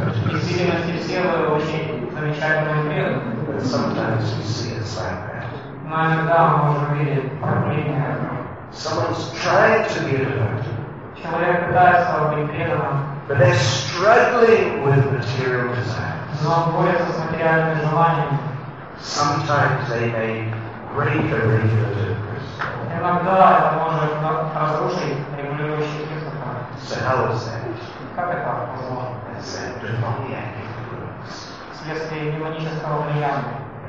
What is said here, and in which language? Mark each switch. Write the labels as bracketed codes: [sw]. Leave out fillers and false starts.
[ru] Действительно, все вы очень замечательные преданные. [en] But sometimes we see it like that. [ru] Но иногда мы можем видеть проблемы. [en] Someone's trying to be a devotee. [ru] Человек пытается быть преданным. [en] But they're struggling with material desires. [ru] Но он борется с материальными желаниями. [en] Sometimes they may break a regulative crystal. [ru] Иногда это может разрушить регулирующие кристаллы. [en] So how is that? [ru] Как это возможно? [en] It's a demoniac influence. [ru] Вследствие демонического влияния.